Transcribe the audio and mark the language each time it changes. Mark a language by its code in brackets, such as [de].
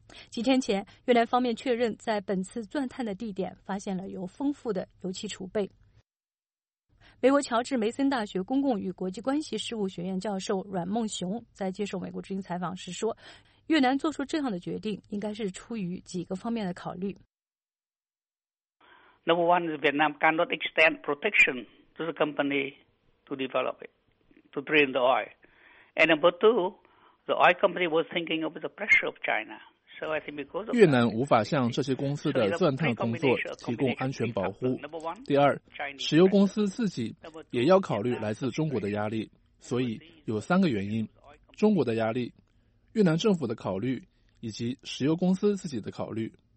[zh] 几天前，越南方面确认在本次钻探的地点发现了有丰富的油气储备。美国乔治梅森大学公共与国际关系事务学院教授阮梦雄在接受美国之音采访时说，越南做出这样的决定应该是出于几个方面的考虑。 [en] Number one is Vietnam cannot extend protection to the company to develop it, to drain the oil. And number two, the oil company was thinking of the pressure of China. [zh] 越南无法向这些公司的钻探工作提供安全保护。第二，石油公司自己也要考虑来自中国的压力，所以有三个原因：中国的压力、越南政府的考虑以及石油公司自己的考虑。